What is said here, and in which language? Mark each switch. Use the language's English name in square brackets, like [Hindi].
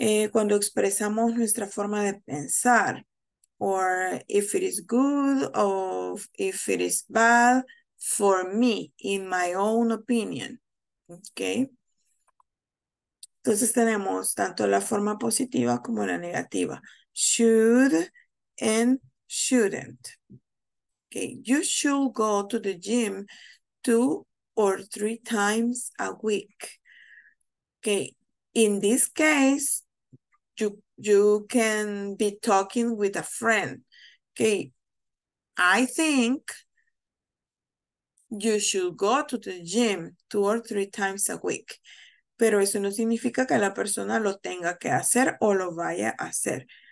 [Spanish] Cuando expresamos nuestra forma de pensar, [English] or if it is good or if it is bad for me, in my own opinion. Okay. [Spanish] Entonces tenemos tanto la forma positiva como la negativa. [English] Should and shouldn't. Okay. You should go to the gym 2 or 3 times a week. Okay. In this case, you can be talking with a friend. Okay. I think you should go to the gym 2 or 3 times a week. [Spanish] Pero eso no significa que la persona lo tenga que hacer o lo vaya a hacer.